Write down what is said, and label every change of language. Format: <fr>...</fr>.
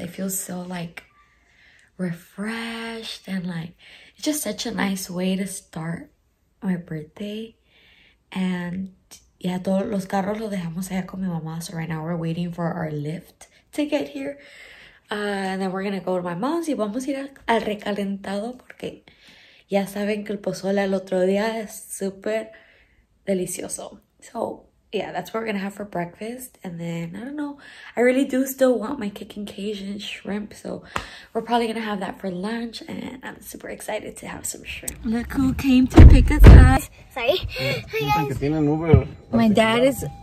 <en>I feel so, like, refreshed and, like, it's just such a nice way to start my birthday.</en> <es>And, yeah, todos los carros los dejamos allá con mi mamá.</es> <en>So right now we're waiting for our lift to get here. And then we're going to go to my mom's.</en> <es>Y vamos a ir al recalentado porque ya saben que el pozole el otro día es súper delicioso.</es> <en>So, yeah, that's what we're going to have for breakfast. And then, I don't know, I really do still want my kicking Cajun shrimp. So, we're probably going to have that for lunch. And I'm super excited to have some shrimp. Look who came to pick us up. Sorry. Hi, guys.</en>